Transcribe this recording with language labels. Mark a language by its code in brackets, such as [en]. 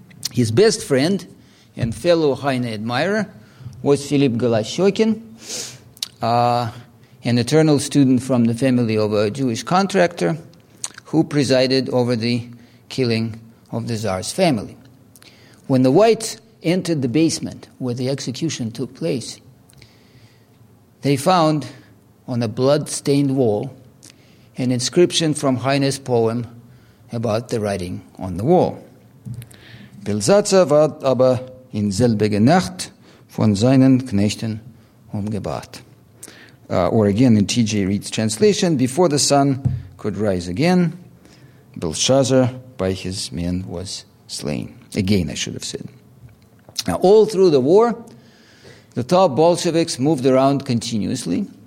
[en] His best friend and fellow Heine admirer was Philip Galashokin, an eternal student from the family of a Jewish contractor who presided over the killing of the Tsar's family. When the whites entered the basement where the execution took place, they found on a blood-stained wall an inscription from Heine's poem about the writing on the wall. [de] Belsatzer ward aber in selbige Nacht von seinen Knechten umgebracht. [en] Or again, in T.J. Reed's translation, before the sun could rise again, Belshazzar by his men was slain. Again, I should have said. Now, all through the war, the top Bolsheviks moved around continuously.